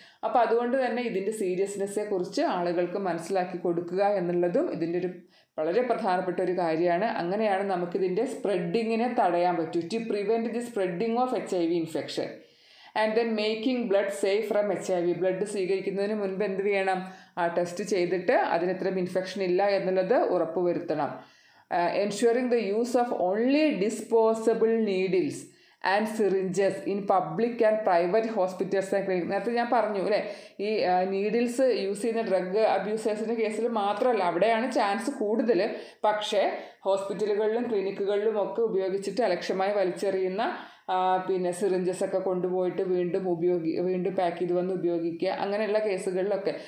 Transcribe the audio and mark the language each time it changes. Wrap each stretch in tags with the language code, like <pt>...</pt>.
<ml>അപ്പോൾ അതുകൊണ്ട് തന്നെ ഇതിൻ്റെ സീരിയസ്നെസ്സെക്കുറിച്ച് ആളുകൾക്ക് മനസ്സിലാക്കി കൊടുക്കുക എന്നുള്ളതും ഇതിൻ്റെ ഒരു വളരെ പ്രധാനപ്പെട്ട ഒരു കാര്യമാണ്. അങ്ങനെയാണ് നമുക്കിതിൻ്റെ സ്പ്രെഡിങ്ങിനെ തടയാൻ പറ്റൂ,</ml> <en>To prevent the spreading of HIV infection. And then making blood safe from HIV. Blood</en> <ml>സ്വീകരിക്കുന്നതിന് മുൻപ് എന്ത് വേണം? ആ ടെസ്റ്റ് ചെയ്തിട്ട് അതിനത്ര ഇൻഫെക്ഷൻ ഇല്ല എന്നുള്ളത് ഉറപ്പുവരുത്തണം.</ml> <en>Ensuring the use of only disposable needles and syringes in public and private hospitals.</en> <ml>നേരത്തെ ഞാൻ പറഞ്ഞു അല്ലേ, ഈ നീഡിൽസ് യൂസ് ചെയ്യുന്ന ഡ്രഗ് അബ്യൂസേഴ്സിൻ്റെ കേസിൽ മാത്രമല്ല, അവിടെയാണ് ചാൻസ് കൂടുതൽ. പക്ഷേ ഹോസ്പിറ്റലുകളിലും ക്ലിനിക്കുകളിലും ഒക്കെ ഉപയോഗിച്ചിട്ട് അലക്ഷ്യമായി വലിച്ചെറിയുന്ന പിന്നെ സിറിഞ്ചസൊക്കെ കൊണ്ടുപോയിട്ട് വീണ്ടും പാക്ക് ചെയ്ത് വന്ന് ഉപയോഗിക്കുക, അങ്ങനെയുള്ള കേസുകളിലൊക്കെ.</ml>